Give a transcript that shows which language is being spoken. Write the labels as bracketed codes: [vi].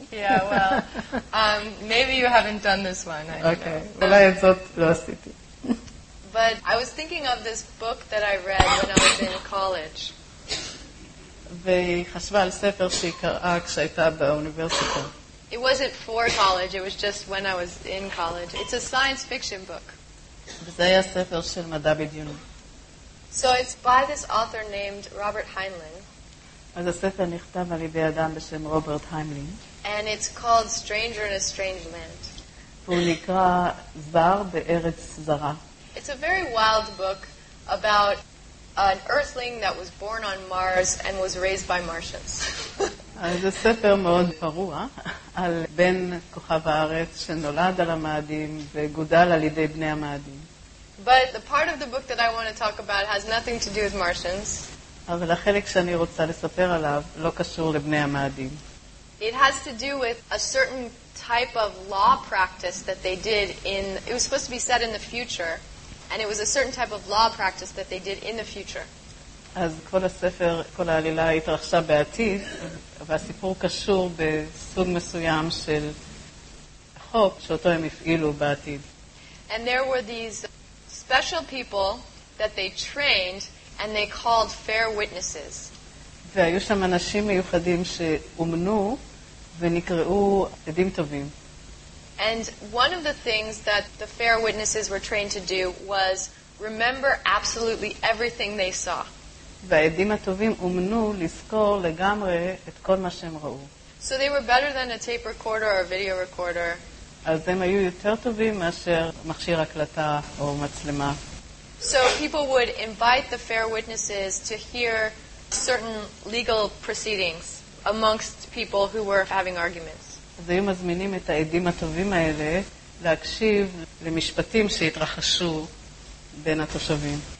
[en] Yeah, well, maybe you haven't done this one. [he] Okay, אולי את זאת לא עשיתי. [en] But I was thinking of this book that I read when I was in college. [he] והיא חשבה על ספר שהיא קראה כשהייתה באוניברסיטה. [en] It wasn't for college, it was just when I was in college. It's a science fiction book. [he] וזה היה ספר של מדע בדיוני. [en] So it's by this author named Robert Heinlein. [he] אז הספר נכתב על ידי אדם בשם רוברט היימלין. [en] And it's called Stranger in a Strange Land. [he] והוא נקרא זר בארץ זרה. [en] It's a very wild book about an earthling that was born on Mars and was raised by Martians. [he] אז זה ספר מאוד פרוע על בן כוכב הארץ שנולד על המאדים וגודל על ידי בני המאדים. [en] But the part of the book that I want to talk about has nothing to do with Martians. [he] אבל החלק שאני רוצה לספר עליו לא קשור לבני המאדים. [en] It has to do with a certain type of law practice that they did in, it was supposed to be set in the future, and it was a certain type of law practice that they did in the future. [he] אז כל הספר, כל העלילה התרחשה בעתיד, והסיפור קשור בסוג מסוים של חוק שאותו הם הפעילו בעתיד. [en] And there were these special people that they trained and they called fair witnesses. [he] והיו שם אנשים מיוחדים שאומנו ונקראו עדים טובים. [en] And one of the things that the fair witnesses were trained to do was remember absolutely everything they saw. [he] והעדים הטובים אומנו לזכור לגמרי את כל מה שהם ראו. [en] So they were better than a tape recorder or a video recorder. [he] אז הם היו יותר טובים מאשר מכשיר הקלטה או מצלמה. [en] So people would invite the fair witnesses to hear certain legal proceedings amongst people who were having arguments. [he] אז היו מזמינים את העדים הטובים האלה להקשיב למשפטים שהתרחשו בין התושבים.